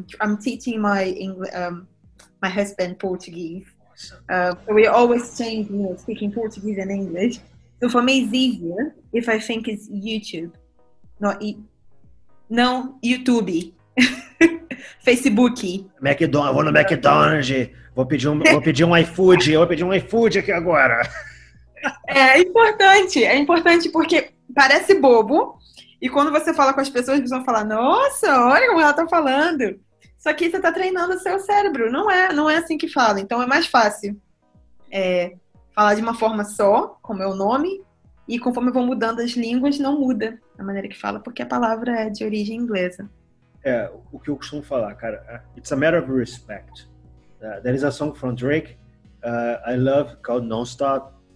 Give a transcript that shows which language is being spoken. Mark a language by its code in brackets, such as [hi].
[en] I'm teaching my my husband Portuguese. So we always change, you know, speaking Portuguese and English. So for me, it's easier if I think it's YouTube, not YouTube, Facebook. [pt] McDonald's, vou no McDonald's, vou pedir um iFood, eu vou pedir um iFood aqui agora. É importante porque parece bobo e quando você fala com as pessoas, eles vão falar, nossa, olha como ela tá falando. Só que você tá treinando o seu cérebro, não é assim que fala. Então é mais fácil falar de uma forma só, como é o nome, e conforme vão mudando as línguas, não muda a maneira que fala, porque a palavra é de origem inglesa. É, o que eu costumo falar, cara, [en] it's a matter of respect. There is a song from Drake, I love, called Nonstop.